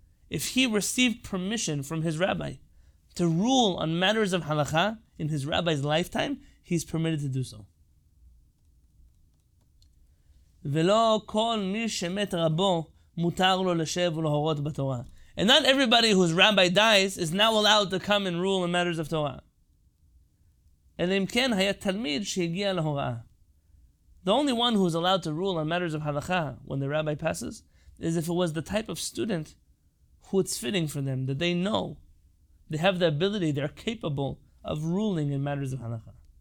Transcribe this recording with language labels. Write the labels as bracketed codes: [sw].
[en] If he received permission from his rabbi to rule on matters of halakha in his rabbi's lifetime, he's permitted to do so. [he] ולא כל מי שמת רבו מותר לו לשב ולהורות בתורה. [en] And not everybody whose rabbi dies is now allowed to come and rule on matters of Torah. [he] אלא אם כן היה תלמיד שהגיע להוראה. [en] The only one who is allowed to rule on matters of halakha when the rabbi passes is if it was the type of student who it's fitting for them, that they know, they have the ability, they are capable of ruling in matters of halakha.